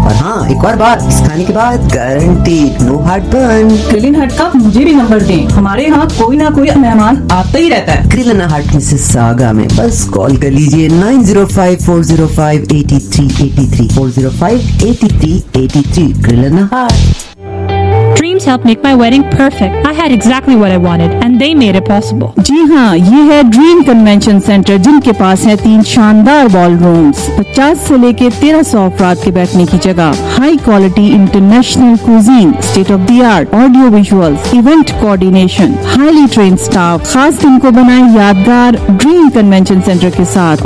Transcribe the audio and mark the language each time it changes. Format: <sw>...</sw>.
<ur>اور ہاں ایک اور بات, اس کھانے کے بعد گارنٹی نو ہارٹ برن. کرنہ ہٹ کا مجھے بھی نمبر دیں, ہمارے یہاں کوئی نہ کوئی مہمان آتا ہی رہتا ہے. کرنہ ہٹ مسز ساگا میں, بس کال کر لیجیے 905-405-8383.</ur> <en>Dreams helped make my wedding perfect. I had exactly what I wanted and they made it possible.</en> <ur>جی ہاں, یہ ہے ڈریم کنونشن سینٹر جن کے پاس ہیں 3 شاندار بال رومز, 50 سے لے کے 1300 افراد کے بیٹھنے کی جگہ, high quality international cuisine, state of the art audio visuals, event coordination, highly trend staff. خاص دن کو بنائیں یادگار ڈریم کنونشن سینٹر کے ساتھ.</ur>